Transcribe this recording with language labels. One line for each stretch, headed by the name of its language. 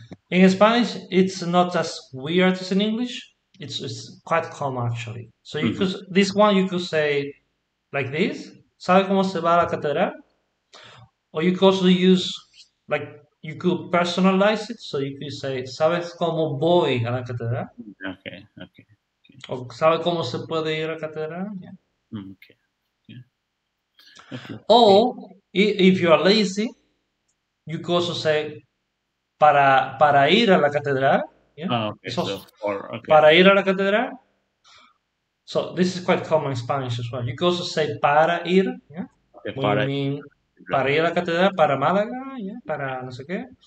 English: In Spanish, it's not as weird as in English. It's quite common, actually. So you could, this one you could say like this.
Spanish: ¿Sabe cómo se va a la catedral?
English: Or you could also use, like, you could personalize it. So you could say,
Spanish: ¿sabes cómo voy a la catedral?
English: Okay.
Spanish: Or, ¿sabes cómo se puede ir a la catedral?
English: Yeah. Okay. Or, if you are lazy, you could also say,
Spanish: para ir a la catedral.
English: Yeah.
Spanish: Para ir a la catedral.
English: So this is quite common in Spanish as well. You could also say,
Spanish: para ir.
English: Yeah. Okay,
Spanish: para ir a la catedral, para Málaga, yeah, para no sé qué.